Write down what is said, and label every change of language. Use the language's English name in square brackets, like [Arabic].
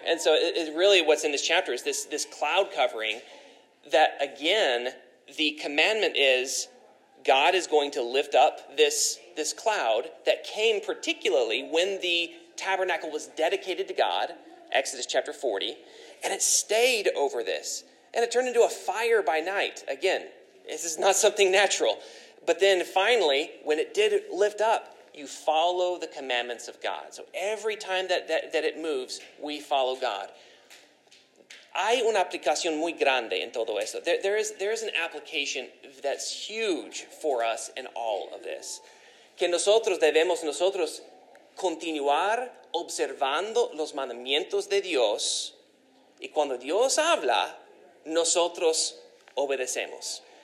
[English] And so it really what's in this chapter is this cloud covering that, again, the commandment is God is going to lift up this cloud that came particularly when the tabernacle was dedicated to God, Exodus chapter 40, and it stayed over this, and it turned into a fire by night. Again, this is not something natural. But then finally, when it did lift up, you follow the commandments of God. So every time that it moves, we follow God. [Spanish] Hay una aplicación muy grande en todo eso. [English] There is an application that's huge for us in all of this. [Spanish] Que nosotros debemos continuar observando los mandamientos de Dios, y cuando Dios habla, nosotros obedecemos.